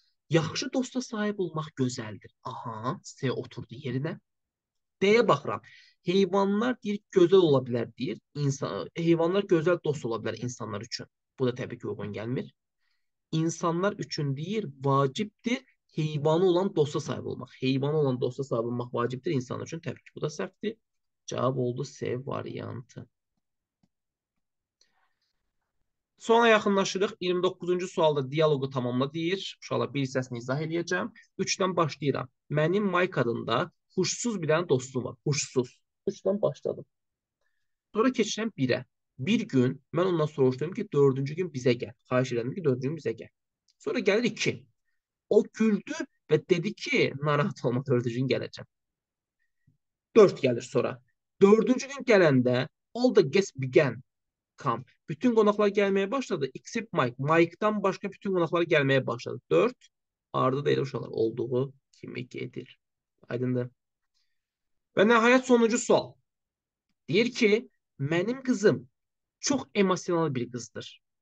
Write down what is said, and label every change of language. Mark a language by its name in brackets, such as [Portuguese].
[Azerbaijani] Yaxşı dosta sahib olmaq gözəldir. Aha, S oturdu yerinə. D-yə baxıram. Heyvanlar deyir, gözəl ola bilər deyir. İnsan, heyvanlar gözəl dost ola bilər insanlar üçün. Bu da təbii ki, uyğun gəlmir. İnsanlar üçün deyir, vacibdir heyvanı olan dosta sahib olmaq. Heyvanı olan dosta sahib olmaq vacibdir insanlar üçün. Təbii ki, bu da səhvdir. Cavab oldu S variantı. Sona yaxınlaşırıq. 29-cu sualda diyaloğu tamamla deyir. Uşaqlar bir hissəsini izah edəcəm. 3-dən başlayıram. Mənim Mike adında huşsuz bir tane dostum var. Huşsuz. [Turkish] 3'den başladım. [Azerbaijani] Sonra keçirəm 1'e. Bir gün mən ondan soruşdum ki, 4-cü gün bizə gəl. Xahiş edəndim ki, 4-cü gün bizə gəl. Sonra gəlir 2. O güldü və dedi ki, narahat olma, 4-cü gün gələcəm. 4 gəlir sonra. 4-cü gün gələndə, [English] all the guests began. Come. [Azerbaijani] Bütün qonaqlar gəlməyə başladı. [English] Except Mike. [Azerbaijani] Mike'dan başqa bütün qonaqlar gəlməyə başladı. 4. Arda da elə uşaqlar olduğu kimi gedir. Aydındır. Ve nihayet sonuncu sual. [Turkish] Deyir ki, benim kızım çok emosyonel bir kızdır.